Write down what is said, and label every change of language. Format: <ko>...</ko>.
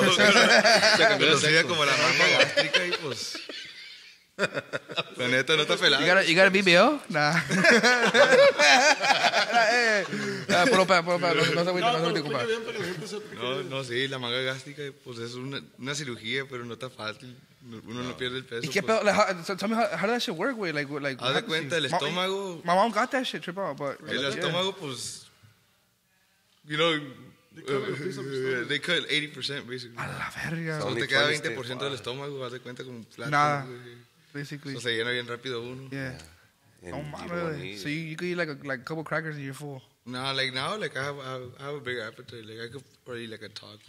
<es>No, conocía como la mamá gástrica y pues. La neta no está pelada.</es> <en>You got a BBO? Nah.</en> <es>Nah, por lo pa, no se agüita, no se agüita, compa. No, sí, la manga gástrica pues es una cirugía, pero no está fácil. Uno no pierde el peso. ¿Y qué pedo?</es> <en>Like, so tell me how does that shit work, güey. Like,</en> <es>haz de cuenta, el estómago.</es> <en>My mom got that shit, trip out, but.</en> <es>El estómago, pues.</es> <en>You know. They cut 80% basically.</en> <es>A la verga. So te queda 20% del estómago, haz de cuenta como un plato. Nada. Basically. So se llena bien rápido uno.</es> <en>Yeah. Oh my god. So you could eat like a couple crackers and you're full. No, like now, like I have a bigger appetite. Like I could probably eat like a taco.</en>